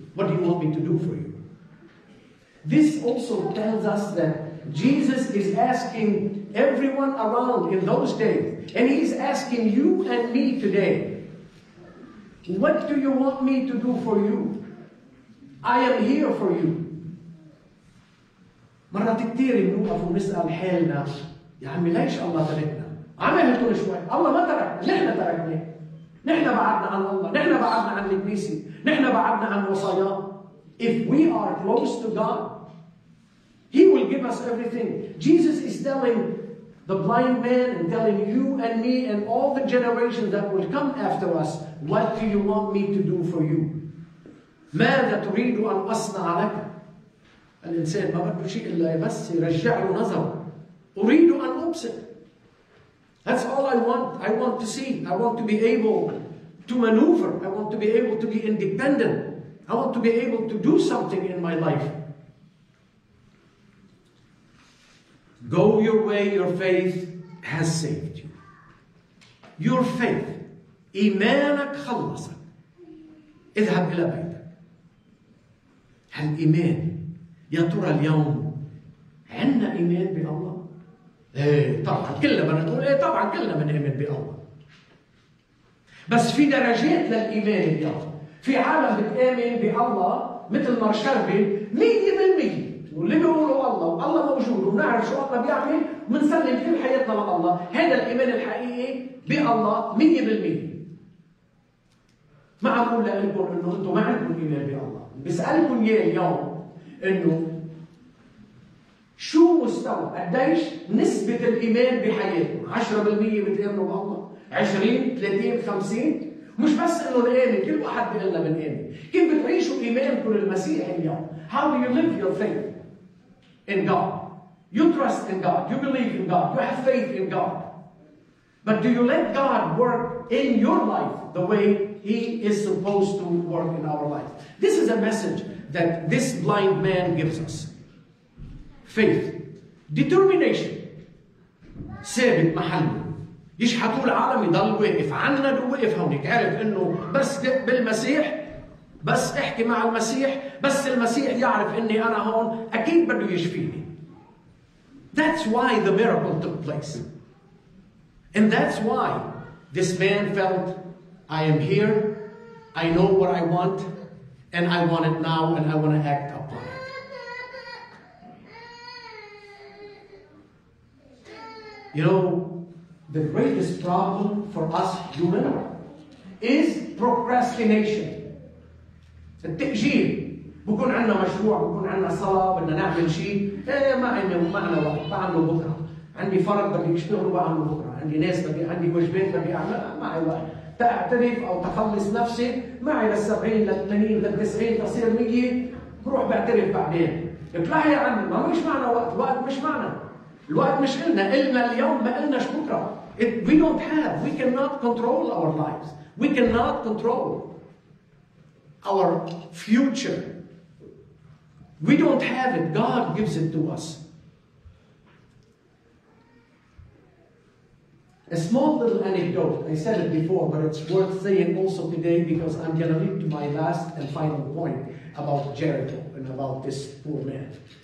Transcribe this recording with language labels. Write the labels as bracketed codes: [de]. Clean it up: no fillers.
[en] What do you want me to do for you? This also tells us that Jesus is asking everyone around in those days, and he's asking you and me today, what do you want me to do for you? I am here for you. [ar] مرات كتير نوقف ونسأل حالنا يا عمي ليش الله تركنا؟ عملتون شوي، الله ما ترك، نحن تركنا. نحن بعدنا عن الله، نحن بعدنا عن الكنيسة، نحن بعدنا عن وصاياه. [en] If we are close to God, He will give us everything. Jesus is telling the blind man and telling you and me and all the generations that will come after us, what do you want me to do for you? [ar] ماذا تريد أن أصنع لك؟ الإنسان ما بده شيء إلا بس يرجع له نظره. أريد أن أبصر. [en] That's all I want. I want to see. I want to be able to maneuver. I want to be able to be independent. I want to be able to do something in my life. Go your way, your faith has saved you. Your faith, [ar] إيمانك خلصك. اذهب إلى بيتك. هل إيمان؟ يا ترى اليوم عندنا إيمان بالله؟ ايه طبعا كلنا بنقول ايه طبعا كلنا بنؤمن بالله. بس في درجات للإيمان بالله. في عالم بتؤمن بالله مثل ما شربي 100%. واللي بيقولوا الله والله موجود ونعرف شو الله بيعمل ومنسلم كل حياتنا لله، هذا الإيمان الحقيقي بالله 100%. ما أقول لكم إنه أنتم ما عندكم إيمان بالله، بسألكم إياه اليوم إنه شو مستوى قديش نسبة الإيمان بحياتكم؟ 10% بتؤمنوا بالله؟ 20؟ 30؟ 50؟ مش بس إنه نآمن، كل واحد بيقول لنا بنآمن، كيف بتعيشوا إيمانكم للمسيح اليوم؟ [en] How do you live your faith in God? You trust in God, you believe in God, you have faith in God. But do you let God work in your life the way He is supposed to work in our life? This is a message that this blind man gives us. Faith. Determination. [ar] ثابت محله. يشحطوا العالم يضل واقف، عنك واقف هونيك، عارف انه بس بالمسيح بس احكي مع المسيح، بس المسيح يعرف اني انا هون، اكيد بده يشفيني. [en] That's why the miracle took place. And that's why this man felt, I am here, I know what I want, and I want it now, and I want to act upon it. You know, the greatest problem for us human is procrastination. [ar] التأجيل. بكون عندنا مشروع، بكون عندنا صلاة، بدنا نعمل شيء، ما عندي وما عندنا وقت، بعمله بكرة. عندي فرق بدي اشتغله بعمله بكرة، عندي ناس بدي، عندي واجبات بدي اعملها، ما عندي وقت. تعترف أو تخلص نفسي، معي لل 70 لل 80 لل 90 تصير 100، بروح بعترف بعدين. اطلعي يا عمي، ما مش معنا وقت، وقت مش معنا. الوقت مش إلنا، إلنا اليوم ما إلناش بكرة. [en] We don't have, we cannot control our lives. We cannot control our future. We don't have it. God gives it to us. A small little anecdote. I said it before, but it's worth saying also today because I'm going to lead to my last and final point about Jericho and about this poor man.